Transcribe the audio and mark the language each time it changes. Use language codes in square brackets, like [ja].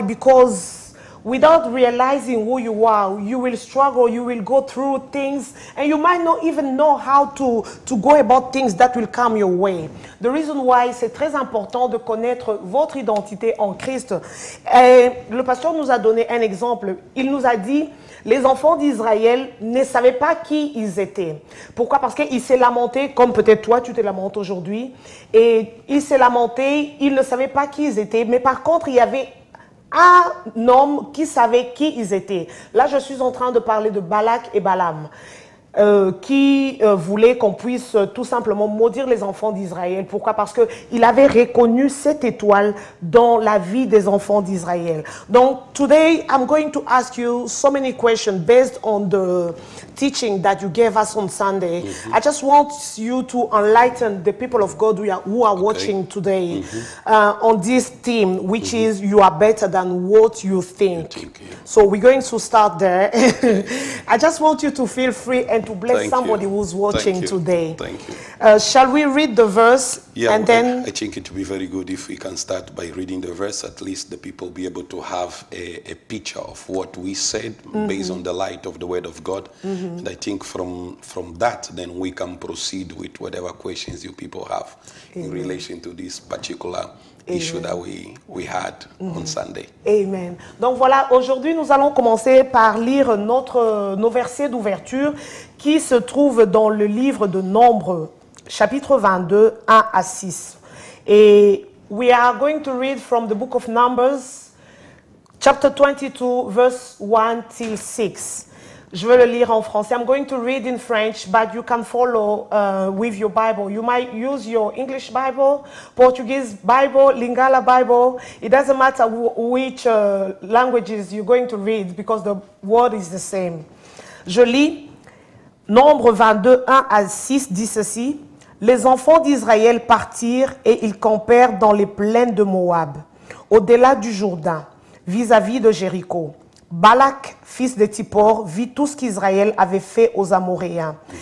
[en] Because without realizing who you are, you will struggle, you will go through things, and you might not even know how to go about things that will come your way. The reason why [fr] c'est très important de connaître votre identité en Christ. Et le pasteur nous a donné un exemple. Il nous a dit, les enfants d'Israël ne savaient pas qui ils étaient. Pourquoi? Parce qu'ils s'est lamenté, comme peut-être toi tu te lamentes aujourd'hui. Et ils s'est lamenté, ils ne savaient pas qui ils étaient, mais par contre il y avait un homme qui savait qui ils étaient. Là, je suis en train de parler de Balak et Balaam, qui voulaient qu'on puisse tout simplement maudire les enfants d'Israël. Pourquoi? Parce qu'il avait reconnu cette étoile dans la vie des enfants d'Israël. [en] Donc, today, I'm going to ask you so many questions based on the teaching that you gave us on Sunday. Mm-hmm. I just want you to enlighten the people of God who are watching today on this theme, which is you are better than what you think. So we're going to start there. I just want you to feel free and to bless somebody who's watching today. Thank you. Shall we read the verse? Yeah, and then I think it would be very good if we can start by reading the verse. At least the people be able to have a picture of what we said based on the light of the Word of God. Mm-hmm. And I think from that, then we can proceed with whatever questions you people have in relation to this particular issue that we had on Sunday. Amen. [fr] Donc voilà, aujourd'hui nous allons commencer par lire nos versets d'ouverture qui se trouvent dans le livre de Nombres, chapitre 22, 1 à 6. Et [en] we are going to read from the book of Numbers, chapter 22, verse 1 till 6. [fr] Je vais le lire en français. [en] I'm going to read in French, but you can follow with your Bible. You might use your English Bible, Portuguese Bible, Lingala Bible. It doesn't matter which languages you're going to read because the word is the same. [fr] Je lis Nombre 22, 1 à 6, dit ceci. Les enfants d'Israël partirent et ils campèrent dans les plaines de Moab, au-delà du Jourdain, vis-à-vis de Jéricho. Balak, fils de Tippor, vit tout ce qu'Israël avait fait aux Amoréens.